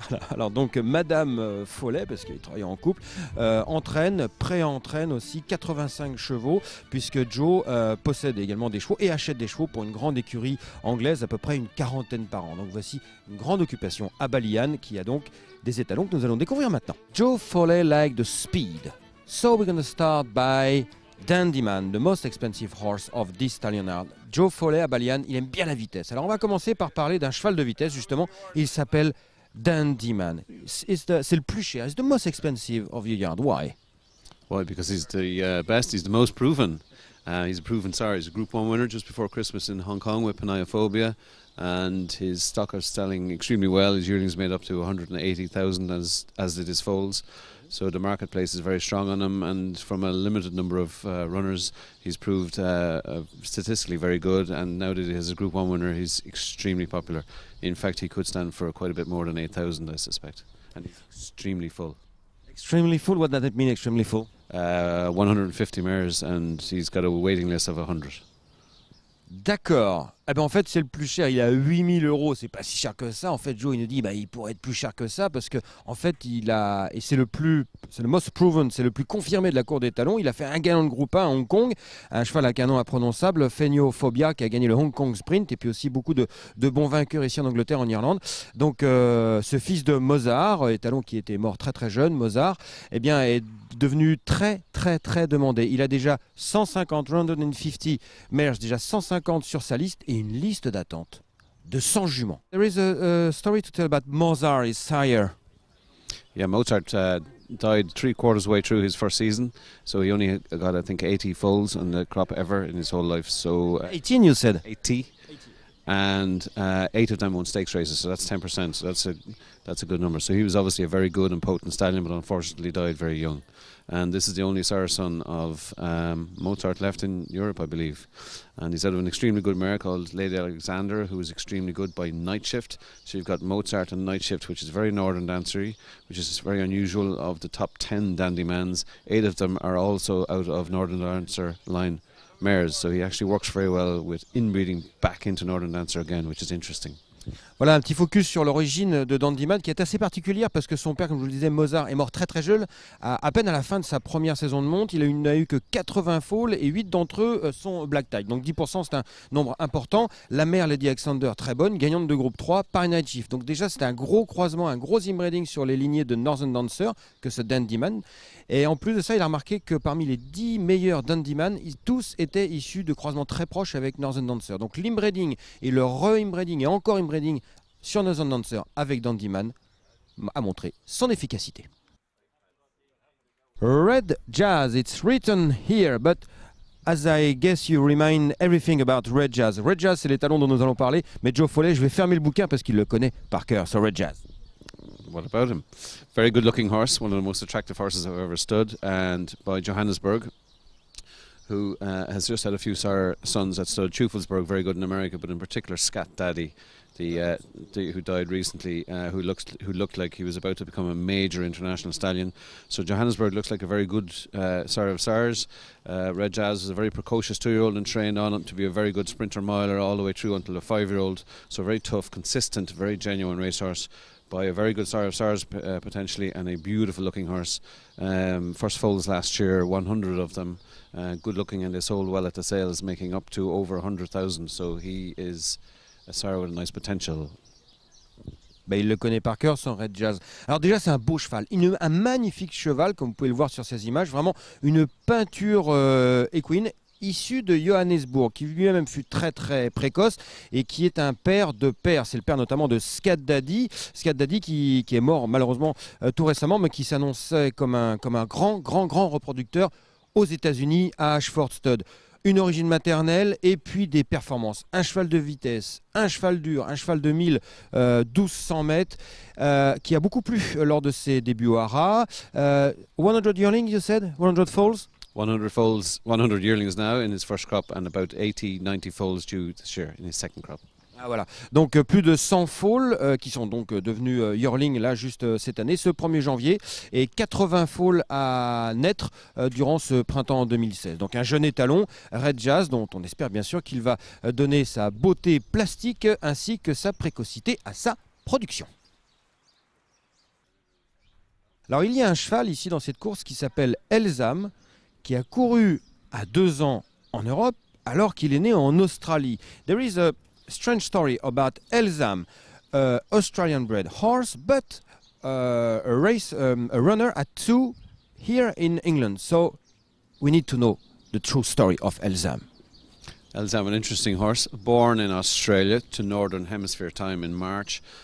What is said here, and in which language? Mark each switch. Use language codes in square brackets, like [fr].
[fr] Alors donc Madame Follet, parce qu'il travaille en couple, entraîne, pré-entraîne aussi 85 chevaux, puisque Joe possède également des chevaux et achète des chevaux pour une grande écurie anglaise, à peu près une quarantaine par an. Donc voici une grande occupation à Ballyhan qui a donc des étalons que nous allons découvrir maintenant. [en] Joe Follet like the speed. So we're going to start by Dandyman, the most expensive horse of this stallion yard. Joe Follet à Ballyhan, il aime bien la vitesse. Alors on va commencer par parler d'un cheval de vitesse, justement, il s'appelle Dandyman. [fr] C'est le plus cher. [en] It's the most expensive of your yard. Why? Why? Because he's the best. He's the most proven. He's a proven star. He's a Group 1 winner just before Christmas in Hong Kong with Paniophobia. And his stock is selling extremely well. His yearlings made up to 180,000, as did his foals. So the marketplace is very strong on him. And from a limited number of runners, he's proved statistically very good. And now that he has a Group 1 winner, he's extremely popular. In fact, he could stand for quite a bit more than 8,000, I suspect. And he's extremely full. Extremely full? What does that mean, extremely full? 150 mares, and he's got a waiting list of 100. [fr] D'accord. Eh ben en fait, c'est le plus cher. Il a 8000 euros. C'est pas si cher que ça. En fait, Joe, il nous dit, il pourrait être plus cher que ça parce que, en fait, c'est le [en] most proven, [fr] c'est le plus confirmé de la cour des talons. Il a fait un gagnant de groupe 1 à Hong Kong, un cheval avec un nom imprononçable, Feniophobia, qui a gagné le Hong Kong Sprint, et puis aussi beaucoup de bons vainqueurs ici en Angleterre, en Irlande. Donc, ce fils de Mozart, étalon qui était mort très très jeune, Mozart, eh bien, est devenu très très très demandé. Il a déjà 150 mares, déjà 150 sur sa liste. Et une liste d'attente de 100 juments. [en] There is a story to tell about Mozart, his sire. Yeah, Mozart died 3/4 way through his first season, so he only got, I think, 80 foals on the crop ever in his whole life. So 18, you said. 80. And 8 of them won stakes races, so that's 10%. So that's a good number. So he was obviously a very good and potent stallion, but unfortunately died very young. And this is the only sire son of Mozart left in Europe, I believe. And he's out of an extremely good mare called Lady Alexander, who is extremely good by night shift. So you've got Mozart and night shift, which is very northern dancery, which is very unusual. Of the top 10 Dandymans, 8 of them are also out of northern dancer line mares. So he actually works very well with inbreeding back into northern dancer again, which is interesting. [fr] Voilà un petit focus sur l'origine de Dandyman qui est assez particulière parce que son père, comme je vous le disais, Mozart, est mort très très jeune, à peine à la fin de sa première saison de monte. Il n'a eu que 80 foals et 8 d'entre eux sont black tie. Donc 10% c'est un nombre important. La mère Lady Alexander, très bonne, gagnante de groupe 3 par Night Shift. Donc déjà c'est un gros croisement, un gros inbreeding sur les lignées de Northern Dancer que ce Dandyman. Et en plus de ça, il a remarqué que parmi les 10 meilleurs Dandyman, tous étaient issus de croisements très proches avec Northern Dancer. Donc l'inbreeding et le re-inbreeding et encore inbreeding sur Northern Dancer avec Dandyman a montré son efficacité. [en] Red Jazz, it's written here, but as I guess you remind everything about Red Jazz. [fr] Red Jazz, c'est l'étalon dont nous allons parler, mais Joe Follet, je vais fermer le bouquin parce qu'il le connaît par cœur, [en] so Red Jazz. What about him? Very good looking horse, one of the most attractive horses I've ever stood, and by Johannesburg, who has just had a few sons at Stud Schufelsberg, very good in America, but in particular Scat Daddy, who died recently, who looked like he was about to become a major international stallion. So Johannesburg looks like a very good sire of sires. Red Jazz is a very precocious two-year-old and trained on him to be a very good sprinter miler all the way through until a five-year-old. So very tough, consistent, very genuine racehorse by a very good sire of sires potentially, and a beautiful looking horse. First foals last year, 100 of them. Good looking, and they sold well at the sales, making up to over 100,000. So he is a sire with a nice potential. [fr] Bah, il le connaît par cœur, son Red Jazz. Alors déjà, c'est un beau cheval, un magnifique cheval, comme vous pouvez le voir sur ces images, vraiment une peinture équine, issue de Johannesburg, qui lui-même fut très très précoce, et qui est un père de père. C'est le père notamment de Scat Daddy, qui est mort malheureusement tout récemment, mais qui s'annonçait comme un grand reproducteur aux États-Unis à Ashford Stud. Une origine maternelle et puis des performances. Un cheval de vitesse, un cheval dur, un cheval de 1200 mètres, qui a beaucoup plu lors de ses débuts au Hara. [en] 100 yearlings, you said? 100 foals? 100 foals, 100 yearlings now in his first crop and about 80-90 foals due this year in his second crop. [fr] Ah voilà, donc plus de 100 foals qui sont donc devenus yearlings là juste cette année, ce 1er janvier, et 80 foals à naître durant ce printemps 2016. Donc un jeune étalon, Red Jazz, dont on espère bien sûr qu'il va donner sa beauté plastique ainsi que sa précocité à sa production. Alors il y a un cheval ici dans cette course qui s'appelle Elzam, qui a couru à 2 ans en Europe alors qu'il est né en Australie. [en] There is a strange story about Elzam, Australian bred horse, but a runner at 2 here in England. So we need to know the true story of Elzam. Elzam, an interesting horse, born in Australia to Northern Hemisphere time in March.